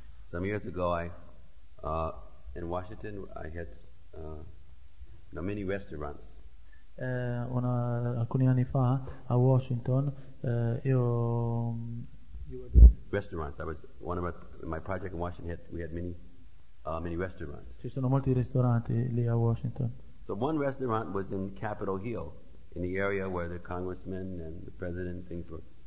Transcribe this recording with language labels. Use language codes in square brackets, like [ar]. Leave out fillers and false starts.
[en] Some years ago in Washington I had many restaurants. [it] Alcuni anni fa a Washington io [en] restaurants. I was one of my project in Washington. We had many restaurants. [it] Ci sono molti ristoranti lì a Washington. [en] So one restaurant was in Capitol Hill, in the area where the congressmen and the president things were.